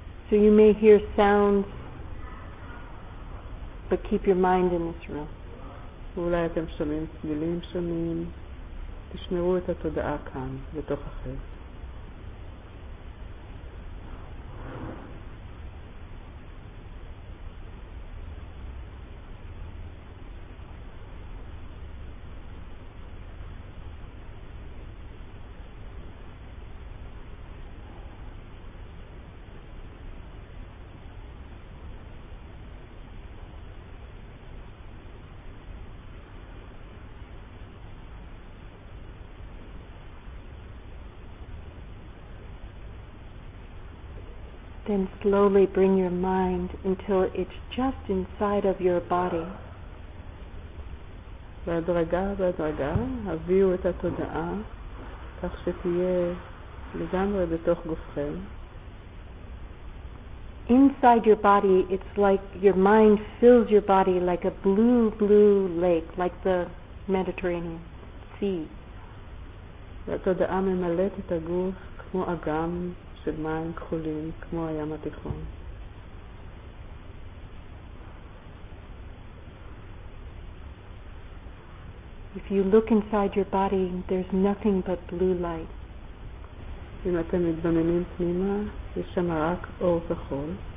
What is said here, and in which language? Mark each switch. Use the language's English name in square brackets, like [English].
[English] So you may hear sounds, but keep your mind in this room. [Hebrew] אולי אתם שומעים צלילים שונים, תשמרו את התודעה כאן, בתוך החדר. [English] Then slowly bring your mind until it's just inside of your body. [Hebrew] בהדרגה, בהדרגה, הביאו את התודעה כך שתהיה לגמרי בתוך גופכם. [English] Inside your body, it's like your mind fills your body like a blue, blue lake, like the Mediterranean Sea. [Hebrew] והתודעה ממלאת את הגוף כמו אגם. של מים כחולים כמו הים התיכון. [English] If you look inside your body, there's nothing but blue light. [Hebrew] אם אתם מתבוננים פנימה, יש שם רק אור כחול.